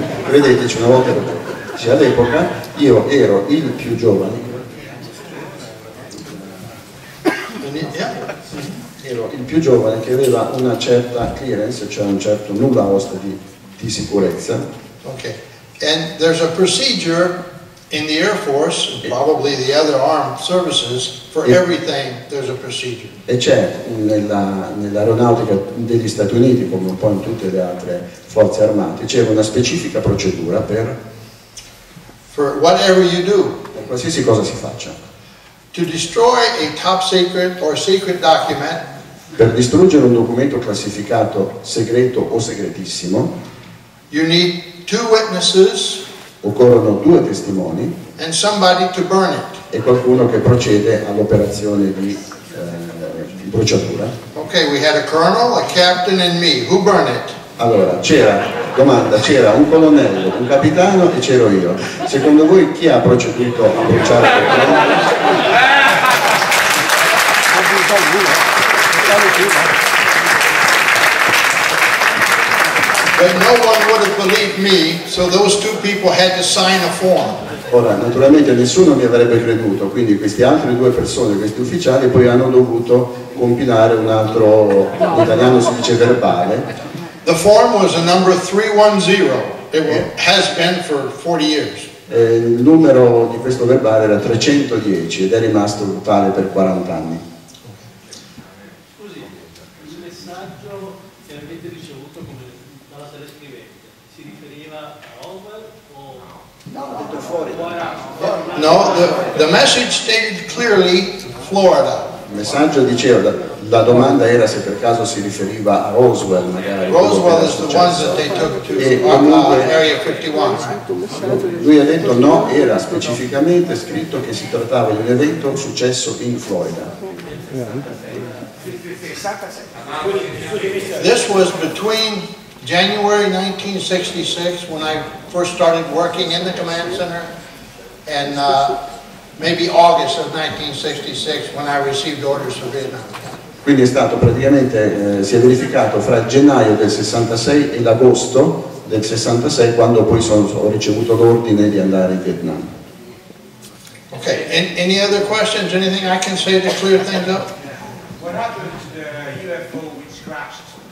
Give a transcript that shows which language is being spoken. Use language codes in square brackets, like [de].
[it] Vedete, c'è una volta che... Cioè, all'epoca io ero il più giovane. Ero il più giovane che aveva una certa clearance, cioè un certo nulla osta di sicurezza. Ok. [en] And there's a procedure in the Air Force, probably the other armed services, for everything there's a procedure. [it] E c'è nell'aeronautica degli Stati Uniti, come un po' in tutte le altre forze armate, c'è una specifica procedura per [en] for whatever you do. [it] Per qualsiasi cosa si faccia. [en] to destroy a top secret or secret document. [it] Per distruggere un documento classificato segreto o segretissimo, [en] you need two witnesses. [it] Occorrono due testimoni. [en] And somebody to burn it. [it] E qualcuno che procede all'operazione di bruciatura. [en] Okay, we had a colonel, a captain, and me. Who burned it? [it] Allora, c'era un colonnello, un capitano e c'ero io. Secondo voi chi ha proceduto a bruciare il colonnello? [en] But no one would have believed me, so those two people had to sign a form. [it] Ora, naturalmente nessuno mi avrebbe creduto, quindi queste altre due persone, questi ufficiali, poi hanno dovuto compilare un altro, in italiano si dice verbale. [en] The form was a number 310. It has been for 40 years. [it] Il numero di questo verbale era 310 ed è rimasto tale per 40 anni. Scusi, il messaggio che avete ricevuto dalla telescrivente si riferiva a Orwell o no? No, ha detto fuori. [en] No, the message stated clearly Florida. [it] Il messaggio diceva, la domanda era se per caso si riferiva a Roswell, magari. [en] Roswell is the one that they took to Area 51. [it] Lui ha detto no, era specificamente scritto che si trattava di un evento successo in Florida. [en] This was between January 1966 when I first started working in the command center and maybe August of 1966 when I received orders for Vietnam. [it] Quindi è stato praticamente, si è verificato fra gennaio del 66 e l'agosto del 66 quando poi ho ricevuto l'ordine di andare in Vietnam. [en] Ok, any other questions? Anything I can say to clear things up? What happened to the UFO which crashed?